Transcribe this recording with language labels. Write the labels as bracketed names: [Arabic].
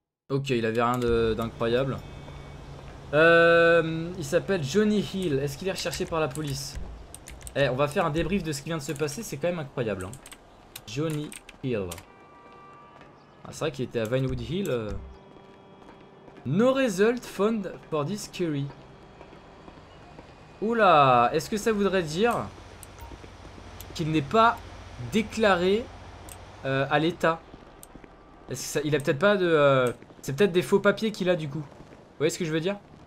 [French] Ok, il avait rien d'incroyable. Il s'appelle Johnny Hill. Est-ce qu'il est recherché par la police? Eh, on va faire un débrief de ce qui vient de se passer. C'est quand même incroyable. Hein. Johnny Hill. Ah, c'est vrai qu'il était à Vinewood Hill. [English] No result found for this query. [French] Oula, est-ce que ça voudrait dire qu'il n'est pas déclaré à l'État? Est-ce que ça, il a peut-être pas de... c'est peut-être des faux papiers qu'il a du coup. Vous voyez ce que je veux dire?